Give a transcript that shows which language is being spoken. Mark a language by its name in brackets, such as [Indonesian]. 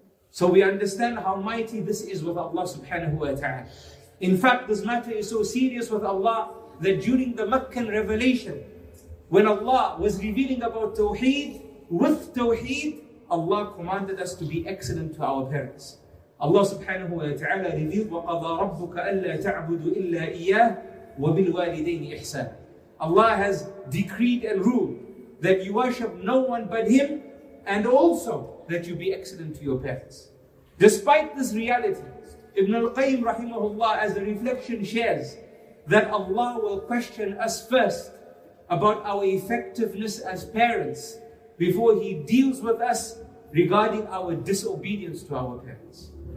[English] So we understand how mighty this is with Allah subhanahu wa ta'ala. In fact, this matter is so serious with Allah that during the Meccan revelation, when Allah was revealing about Tawheed, with Tawheed, Allah commanded us to be excellent to our parents. Allah subhanahu wa ta'ala revealed, [Arabic] وَقَضَى رَبُّكَ أَلَّا تَعْبُدُ إِلَّا إِيَّهِ وَبِالْوَالِدَيْنِ إِحْسَانِ. [English] Allah has decreed and ruled that you worship no one but Him, and also that you be excellent to your parents. Despite this reality, Ibn al-Qayyim rahimahullah, as a reflection, shares that Allah will question us first about our effectiveness as parents before He deals with us regarding our disobedience to our parents.